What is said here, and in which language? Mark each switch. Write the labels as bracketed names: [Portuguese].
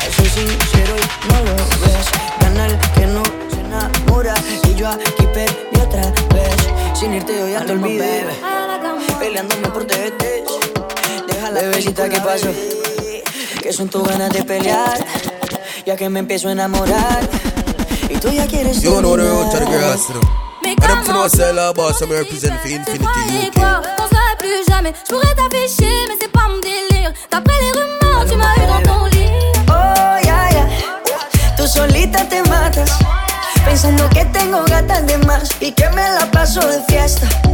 [Spanish] Soy sincero y no lo ves. Gana el que no se enamora. Y yo aquí perdí otra vez. Sin irte, yo ya te olvidé. Peleándome por tete. Deja la bebecita, ¿qué pasó? Que son tus ganas de pelear. Ya que me empiezo a enamorar. Y tú ya quieres yo no lo veo, Astro. [English] I don't know what's all about, so I represent for Infinity UK. [French] Qu'on serait plus jamais. J'pourrais t'afficher, mais c'est pas mon délire. D'après les rumeurs, tu m'as eu dans ton lit. [Spanish] Oh yeah yeah. Tú solita te matas. Pensando que tengo gatas de más. Y que me la paso de fiesta.